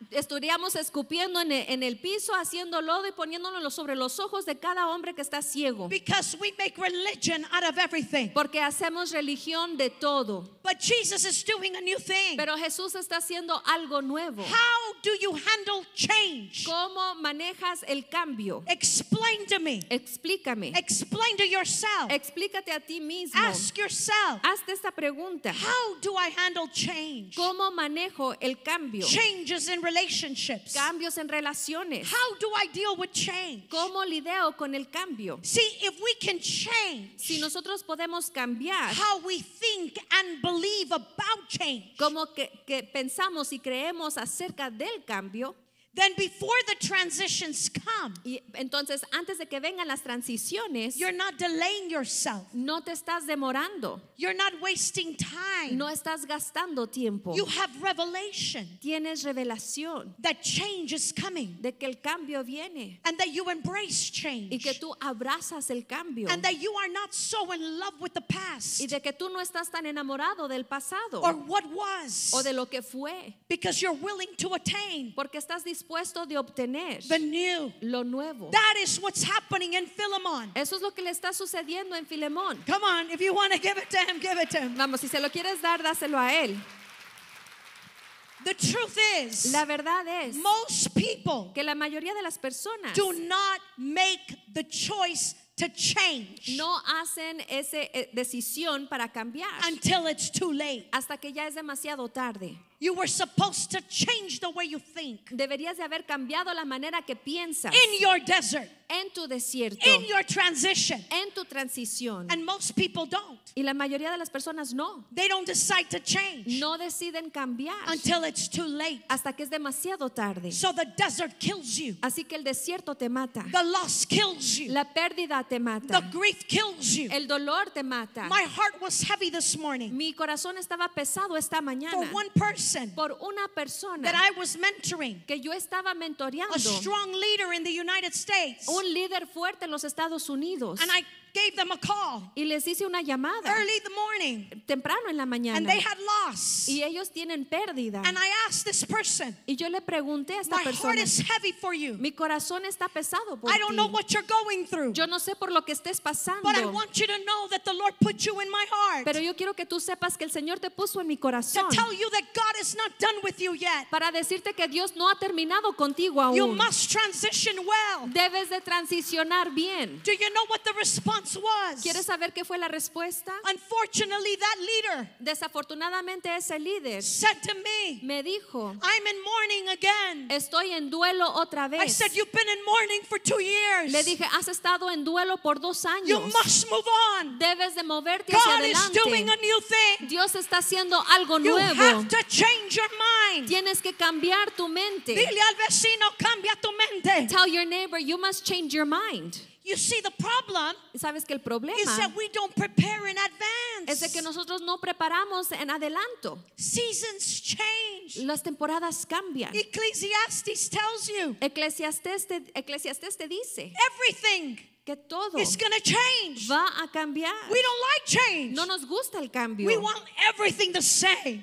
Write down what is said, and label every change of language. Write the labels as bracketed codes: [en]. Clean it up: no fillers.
[es] Estaríamos escupiendo en el piso, haciendo lodo y poniéndolo sobre los ojos de cada hombre que está ciego. [en] Because we make religion out of everything. [es] Porque hacemos religión de todo. [en] But Jesus is doing a new thing. [es] Pero Jesús está haciendo algo nuevo. [en] How do you handle change? [es] ¿Cómo manejas el cambio? [en] Explain to me. [es] Explícame. [en] Explain to yourself. [es] Explícate a ti mismo. [en] Ask yourself. [es] Hazte esta pregunta. [en] How do I handle change? [es] ¿Cómo manejo el cambio? [en] Changes in relationships. [es] Cambios en relaciones. [en] How do I deal with change? [es] ¿Cómo lidio con el cambio? [en] See, if we can change. [es] Si nosotros podemos cambiar. [en] How we think and believe about change. [es] Cómo que pensamos y creemos acerca del cambio. [en] Then before the transitions come. [es] Y entonces antes de que vengan las transiciones. [en] You're not delaying yourself. [es] No te estás demorando. [en] You're not wasting time. [es] No estás gastando tiempo. [en] You have revelation. [es] Tienes revelación. [en] That change is coming. [es] De que el cambio viene. [en] And that you embrace change. [es] Y que tú abrazas el cambio. [en] And that you are not so in love with the past. [es] Y de que tú no estás tan enamorado del pasado. [en] Or what was. [es] O de lo que fue. [en] Because you're willing to attain. [es] Porque estás dispuesto de obtener [en] the new. [es] Lo nuevo. [en] That is what's happening in Philemon. [es] Eso es lo que le está sucediendo en Filemón. [en] Come on, if you want to give it to him, give it to him. [es] Vamos, si se lo quieres dar, dáselo a él. [en] The truth is, [es] la verdad es, [en] most people, [es] que la mayoría de las personas, [en] do not make the choice to change. [es] No hacen esa decisión para cambiar. [en] Until it's too late. [es] Hasta que ya es demasiado tarde. [en] You were supposed to change the way you think. [es] Deberías de haber cambiado la manera que piensas. [en] In your desert. [es] En tu desierto. [en] In your transition. [es] En tu transición. [en] And most people don't. [es] Y la mayoría de las personas no. [en] They don't decide to change. [es] No deciden cambiar. [en] Until it's too late. [es] Hasta que es demasiado tarde. [en] So the desert kills you. [es] Así que el desierto te mata. [en] The loss kills you. [es] La pérdida te mata. [en] The grief kills you. [es] El dolor te mata. [en] My heart was heavy this morning. [es] Mi corazón estaba pesado esta mañana. [en] For one person. [es] Por una persona. [en] That I was mentoring. [es] Que yo estaba mentoreando. [en] A strong leader in the United States. [es] Un líder fuerte en los Estados Unidos. [en] And I gave them a call. [es] Y les hice una llamada. [en] Early the morning. [es] Temprano en la mañana. [en] And they had loss. [es] Y ellos tienen pérdida. [en] And I asked this person. [es] Y yo le pregunté a esta [en] My [es] persona. [en] My heart is heavy for you. [es] Mi corazón está pesado por ti. [en] I don't [es] ti. [en] Know what you're going through. [es] Yo no sé por lo que estés pasando. [en] But I want you to know that the Lord put you in my heart. [es] Pero yo quiero que tú sepas que el Señor te puso en mi corazón. [en] To tell you that God is not done with you yet. [es] Para decirte que Dios no ha terminado contigo aún. [en] You must transition well. [es] Debes de transicionar bien. [en] Do you know what the response? [es] ¿Quieres saber qué fue la respuesta? [en] Unfortunately, that leader, [es] desafortunadamente ese líder, [en] said to me, [es] me dijo, [en] I'm in mourning again. [es] Estoy en duelo otra vez. [en] I said, you've been in mourning for 2 years. [es] Le dije, has estado en duelo por 2 años. [en] You must move on. [es] Debes de moverte [en] God [es] hacia adelante. [en] Is doing a new thing. [es] Dios está haciendo algo [en] you [es] nuevo. [en] Have to change your mind. [es] Tienes que cambiar tu mente. Dile al vecino, cambia tu mente. [en] Tell your neighbor, you must change your mind. You see, the problem, [es] ¿sabes que el problema? [en] Is that we don't prepare in advance. [es] Es de que nosotros no preparamos en adelanto. [en] Seasons change. [es] Las temporadas cambian. [en] Ecclesiastes tells you. [es] Eclesiastés te dice. [en] Everything. [es] que todo [en] it's gonna change. [es] Va a cambiar. [en] We don't like change. [es] No nos gusta el cambio. [en] We want everything the same.